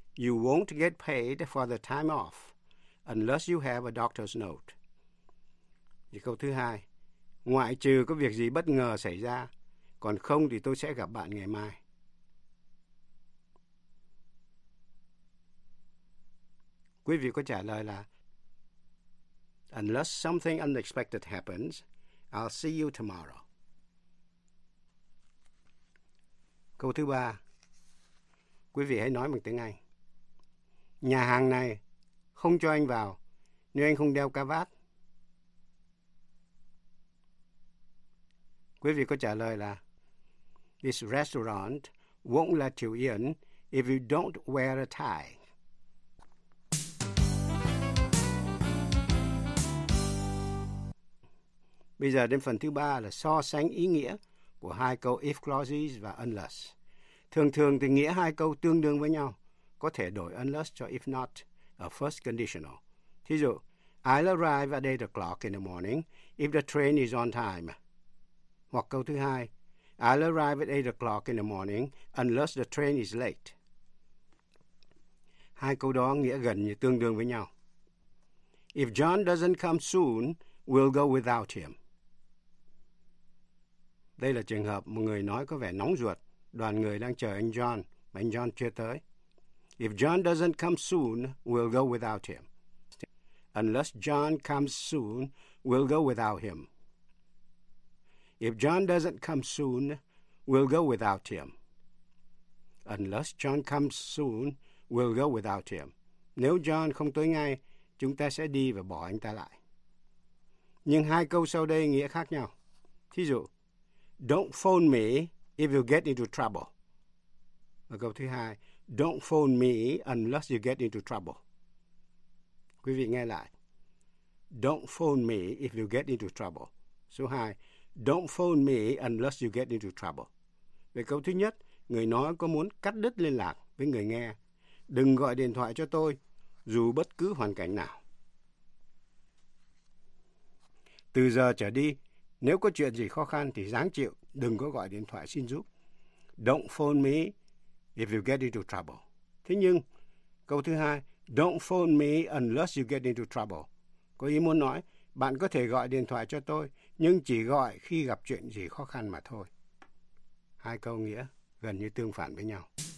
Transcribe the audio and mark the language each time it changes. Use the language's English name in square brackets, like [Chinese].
[English] You won't get paid for the time off unless you have a doctor's note. [Vietnamese] Và câu thứ hai. Ngoại trừ có việc gì bất ngờ xảy ra, còn không thì tôi sẽ gặp bạn ngày mai. Quý vị có trả lời là [English] Unless something unexpected happens, I'll see you tomorrow. [Vietnamese] Câu thứ ba. Quý vị hãy nói bằng tiếng Anh. Nhà hàng này không cho anh vào nếu anh không đeo cà vạt. Quý vị có trả lời là [English] This restaurant won't let you in if you don't wear a tie. [Vietnamese] Bây giờ đến phần thứ ba là so sánh ý nghĩa của hai câu if clauses và unless. Thường thường thì nghĩa hai câu tương đương với nhau, có thể đổi unless cho if not, a first conditional. Thí dụ, [English] I'll arrive at 8 o'clock in the morning if the train is on time. [Vietnamese] Hoặc câu thứ hai, [English] I'll arrive at 8 o'clock in the morning unless the train is late. [Vietnamese] Hai câu đó nghĩa gần như tương đương với nhau. [English] If John doesn't come soon, we'll go without him. [Vietnamese] Đây là trường hợp một người nói có vẻ nóng ruột, đoàn người đang chờ anh John, mà anh John chưa tới. [English] If John doesn't come soon, we'll go without him. Unless John comes soon, we'll go without him. If John doesn't come soon, we'll go without him. Unless John comes soon, we'll go without him. [Vietnamese] Nếu John không tới ngay, chúng ta sẽ đi và bỏ anh ta lại. Nhưng hai câu sau đây nghĩa khác nhau. Thí dụ, [English] don't phone me if you get into trouble. [Vietnamese] Và câu thứ hai, [English] don't phone me unless you get into trouble. [Vietnamese] Quý vị nghe lại. [English] Don't phone me if you get into trouble. [Vietnamese] Số hai, [English] don't phone me unless you get into trouble. [Vietnamese] Về câu thứ nhất, người nói có muốn cắt đứt liên lạc với người nghe. Đừng gọi điện thoại cho tôi, dù bất cứ hoàn cảnh nào. Từ giờ trở đi, nếu có chuyện gì khó khăn thì ráng chịu, đừng có gọi điện thoại xin giúp. [English] Don't phone me if you get into trouble. [Vietnamese] Thế nhưng, câu thứ hai, [English] don't phone me unless you get into trouble. [Vietnamese] Có ý muốn nói, bạn có thể gọi điện thoại cho tôi, nhưng chỉ gọi khi gặp chuyện gì khó khăn mà thôi. Hai câu nghĩa gần như tương phản với nhau.